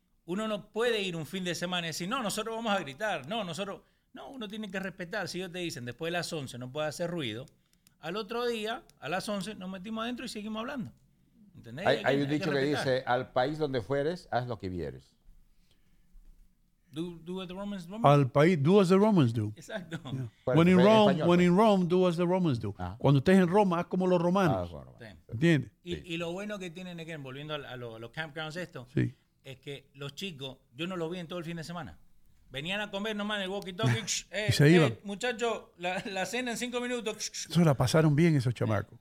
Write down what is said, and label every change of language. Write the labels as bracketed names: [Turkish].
[Spanish] Uno no puede ir un fin de semana y decir, no, nosotros vamos a gritar. No, uno tiene que respetar. Si ellos te dicen, después de las 11 no puede hacer ruido, al otro día, a las 11, nos metimos adentro y seguimos hablando. ¿Entendés? Hay un dicho que dice, al país donde fueres, haz lo que vieres. [English] Do as the Romans do. [Spanish] Al país, [English] do as the Romans do. [Spanish] Exacto. [English] Yeah. When in Rome, do as the Romans do. [Spanish] Ajá. Cuando estés en Roma, haz como los romanos. ¿Entiendes? Sí. Y lo bueno que tienen, again, volviendo a los campgrounds esto, sí, es que los chicos, yo no los vi en todo el fin de semana. Venían a comer nomás en el walkie-talkie. Y se iban. Muchachos, la cena en 5 minutos. Eso la pasaron bien esos chamacos.